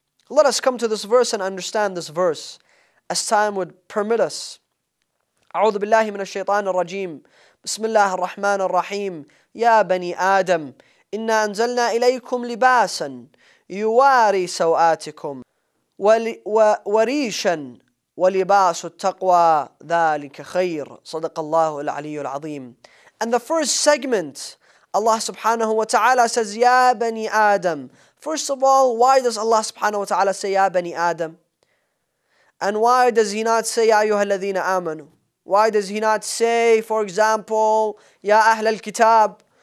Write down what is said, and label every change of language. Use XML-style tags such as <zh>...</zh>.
<en>Let us come to this verse and understand this verse as time would permit us.</en> <ar>A'udhu billahi min ash-shaytan ar-rajim. Bismillah ar-Rahman ar-Rahim. يا بني آدم إنا أنزلنا إليكم لباسا يواري سوآتكم وريشا ولباس التقوى ذلك خير صدق الله العلي العظيم.</ar> <en>And the first segment, Allah subhanahu wa ta'ala says,</en> <ar>يا بني آدم.</ar> <en>First of all, why does Allah subhanahu wa ta'ala say,</en> <ar>يا بني آدم?</ar> <en>And why does he not say,</en> <ar>يا أيها الذين آمنوا?</ar> <en>Why does he not say, for example,</en> <ar>يا أهل الكتاب?</ar>